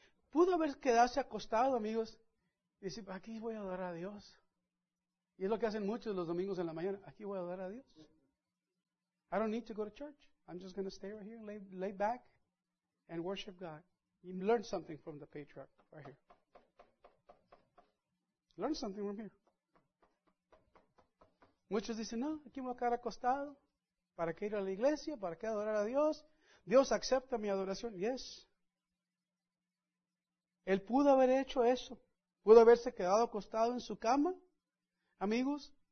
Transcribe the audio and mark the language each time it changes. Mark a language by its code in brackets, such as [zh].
[es] Pudo haber quedarse acostado, amigos, y decir, aquí voy a adorar a Dios. Y es lo que hacen muchos los domingos en la mañana. Aquí voy a adorar a Dios. [en] I don't need to go to church. I'm just going to stay right here, lay back, and worship God. You learn something from the patriarch right here. Learn something from here. [es] Muchos dicen, no, aquí me voy a quedar acostado. ¿Para qué ir a la iglesia? ¿Para qué adorar a Dios? Dios acepta mi adoración. Yes. Él pudo haber hecho eso. Pudo haberse quedado acostado en su cama, amigos.